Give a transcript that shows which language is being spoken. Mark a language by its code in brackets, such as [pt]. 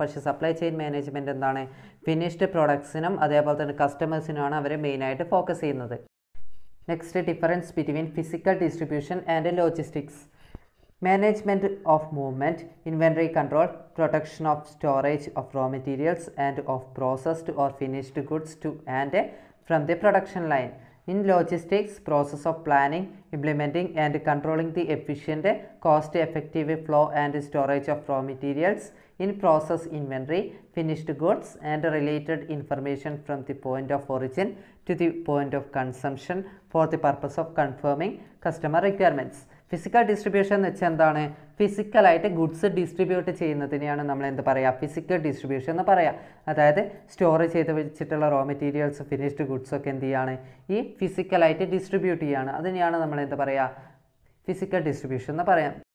[ml] പക്ഷേ supply chain management എന്താണ്, finished പ്രൊഡക്ട്സിനും അതേപോലെ തന്നെ കസ്റ്റമേഴ്സിനുമാണ് അവർ മെയിനായിട്ട് ഫോക്കസ് ചെയ്യുന്നത്. [en] Next difference between physical distribution and logistics. Management of movement, inventory control, protection of storage of raw materials and of processed or finished goods to and from the production line. In logistics, process of planning, implementing and controlling the efficient, cost effective flow and storage of raw materials in process inventory, finished goods and related information from the point of origin to the point of consumption for the purpose of confirming customer requirements. [ml] Physical distribution എന്ന് വെച്ചാൽ എന്താണ്, ഫിസിക്കലായിട്ട് goods distribute ചെയ്യുന്നതിനെയാണ് നമ്മൾ എന്ത് പറയുക, physical distribution എന്ന് പറയുക. അതായത് store ചെയ്ത് വെച്ചിട്ടുള്ള റോ മെറ്റീരിയൽസ്, ഫിനിഷ്ഡ് ഗുഡ്സൊക്കെ എന്ത് ചെയ്യാണ്, ഈ ഫിസിക്കലായിട്ട് ഡിസ്ട്രിബ്യൂട്ട് ചെയ്യുകയാണ്. അതിനെയാണ് നമ്മൾ എന്ത് പറയുക, ഫിസിക്കൽ ഡിസ്ട്രിബ്യൂഷൻ എന്ന് പറയാം.